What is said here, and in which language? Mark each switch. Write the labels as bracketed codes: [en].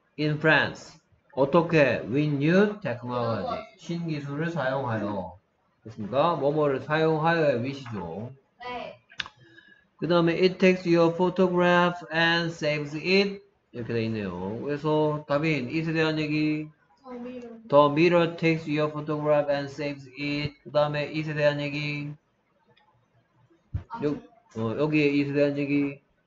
[en] In France. 어떻게? With new technology. [ko] 신기술을 사용하여. 됐습니까? 뭐뭐를 사용하여의 위시죠. 그 다음에 [en] It takes your photograph and saves it. [ko] 이렇게 돼 있네요. 그래서 답인 it에 대한 얘기. [en] The mirror takes your photograph and saves it. [ko] 그 다음에 it에 대한 얘기. 여기에 이에 대한 얘기.